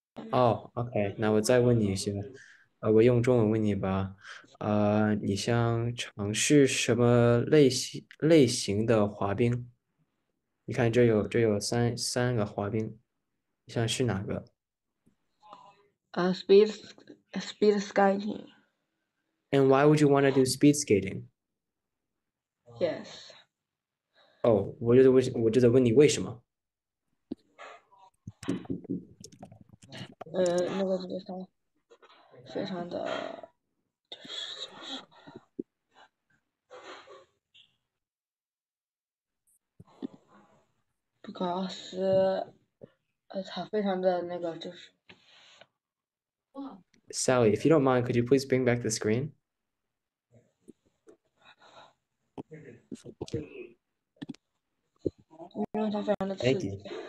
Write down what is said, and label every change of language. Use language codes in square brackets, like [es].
[zh] 哦，OK，那我再问你一些，我用中文问你吧。你想尝试什么类型的滑冰？你看这有三个滑冰，你想试哪个 [en] Speed skating. ？And why would you want to do speed skating？ Yes. [zh] 哦，我就在问你为什么？那个非常的，它非常的那个就是。 [en] Sally, if you don't mind, could you please bring back the screen? Thank you.